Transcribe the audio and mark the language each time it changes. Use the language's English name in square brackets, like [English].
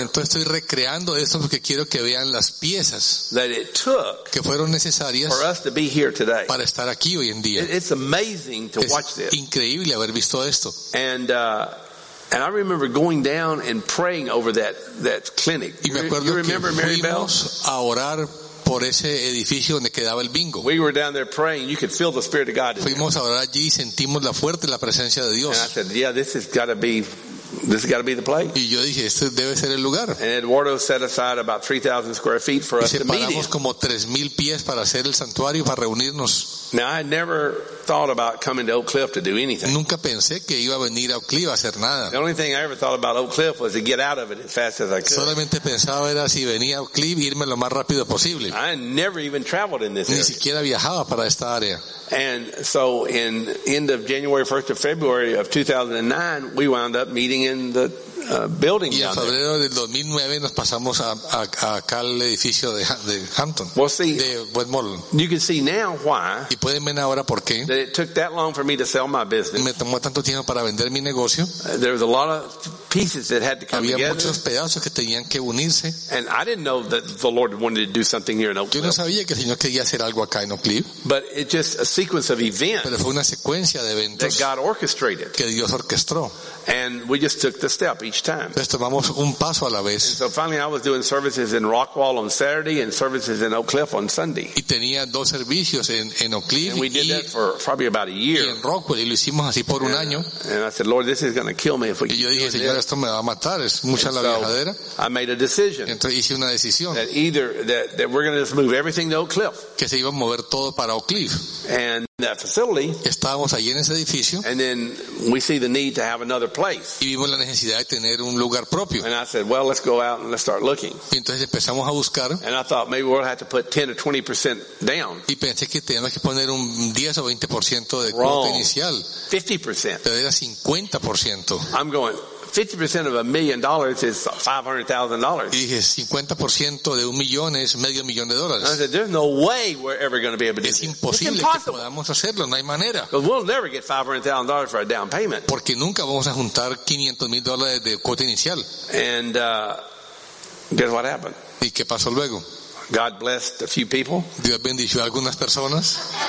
[Spanish] Entonces estoy recreando esto porque quiero que vean las piezas [English] that it took [Spanish] que fueron necesarias [English] for us to be here today. [Spanish] Para estar aquí hoy en día. [English] It's amazing to watch this. [Spanish] Es increíble haber visto esto. [English] And I remember going down and praying over that clinic. [Spanish] Y me acuerdo [English] you remember [Spanish] que [English] Mary [Spanish] fuimos Bell? A orar por ese edificio donde quedaba el bingo. [English] We were down there praying. You could feel the Spirit of God. [Spanish] Fuimos a orar allí y sentimos la fuerte la presencia de Dios. [English] And I said, yeah, this has got to be the place. [Spanish] Y yo dije, este debe ser el lugar. [English] And Eduardo set aside about 3,000 square feet for us to meet. [Spanish] Separamos como 3,000 pies para hacer el santuario para reunirnos. [English] Now I never thought about coming to Oak Cliff to do anything. [Spanish] Nunca pensé que iba a venir a Oak Cliff a hacer nada. [English] The only thing I ever thought about Oak Cliff was to get out of it as fast as I could. [Spanish] Solamente pensaba era si venía a Oak Cliff irme lo más rápido posible. [English] I never even traveled in this [Spanish] ni [English] area. [Spanish] Ni siquiera viajaba para esta área. [English] And so in end of January, first of February of 2009, we wound up meeting in the building [Spanish] y en febrero del 2009 nos pasamos a acá al edificio de Hampton. [English] Well, see, [Spanish] de Westmoreland. [English] You can see now why. [Spanish] Y pueden ver ahora por qué. [English] That it took that long for me to sell my business. [Spanish] Me tomó tanto tiempo para vender mi negocio. [English] There was a lot of pieces that had to come [Spanish] había [English] together. [Spanish] Había muchos pedazos que tenían que unirse. [English] And I didn't know that the Lord wanted to do something here in Oak Cliff. [Spanish] Yo no sabía que el Señor quería hacer algo acá en Oak Cliff. [English] But it's just a sequence of events. [Spanish] Pero fue una secuencia de eventos. [English] That God orchestrated. [Spanish] Que Dios orquestó. [English] And we just took the step each time. [Spanish] Pues tomamos un paso a la vez. [English] And so finally I was doing services in Rockwall on Saturday and services in Oak Cliff on Sunday. [Spanish] Y tenía dos servicios en Oak Cliff. [English] And we did that for probably about a year. [Spanish] Y en Rockwall, y lo hicimos así por un año. [English] And I said, Lord, this is going to kill me if we [Spanish] y yo dije, Señor, esto me va a matar. Es mucha la viajadera. [English] I made a decision. [Spanish] Entonces hice una decisión. [English] That either that we're going to just move everything to Oak Cliff. [Spanish] Que se iba a mover todo para Oak Cliff. [English] And that facility. [Spanish] Estábamos allí en ese edificio. [English] And then we see the need to have another place. [Spanish] Y vimos la necesidad de tener un lugar propio. [English] And I said, well, let's go out and let's start looking. [Spanish] Y entonces empezamos a buscar. [English] And I thought maybe we'll have to put 10 or 20% down. [Spanish] Y pensé que teníamos que poner un 10 o 20% de cuota inicial. [English] 50%. [Spanish] Pero era 50%. [English] I'm going, 50% of $1 million is $500,000. [Spanish] Y dije, 50% de un millón es medio millón de dólares. [English] I said, there's no way we're ever going to be able to do this. [Spanish] Es imposible que podamos hacerlo, no hay manera. [English] Because we'll never get $500,000 for a down payment. [Spanish] Porque nunca vamos a juntar $500,000 de cuota inicial. [English] And guess what happened? [Spanish] ¿Y qué pasó luego? [English] God blessed a few people. [Spanish] Dios bendijo a algunas personas.